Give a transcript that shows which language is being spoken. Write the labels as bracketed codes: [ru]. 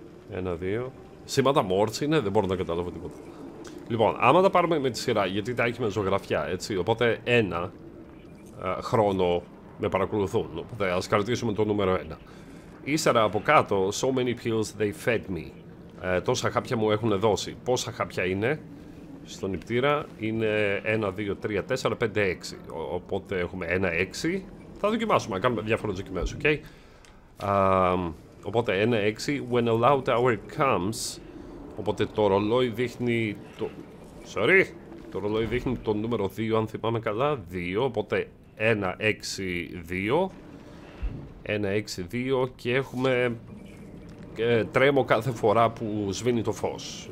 [el] Ένα, δύο. Σήματα Μόρτς είναι, δεν μπορώ να καταλάβω τίποτα. Λοιπόν, άμα τα πάρουμε με τη σειρά, γιατί τα έχει με ζωγραφιά, έτσι. Οπότε ένα χρόνο με παρακολουθούν. Οπότε ας κρατήσουμε το νούμερο ένα. Ύστερα από κάτω, [en] so many pills they fed me. [el] Τόσα χάπια μου έχουν δώσει. Πόσα χάπια είναι στον νηπτήρα? Είναι 1, 2, 3, 4, 5, 6. Οπότε έχουμε 1, 6. Θα δοκιμάσουμε, κάνουμε διάφορες δοκιμές, ok. Οπότε [en] 1-6, when a loud hour comes. [el] Οπότε το ρολόι δείχνει το... Sorry! Το ρολόι δείχνει το νούμερο 2, αν θυμάμαι καλά. 2, οπότε 1-6-2. 1-6-2 και έχουμε... τρέμω κάθε φορά που σβήνει το φως.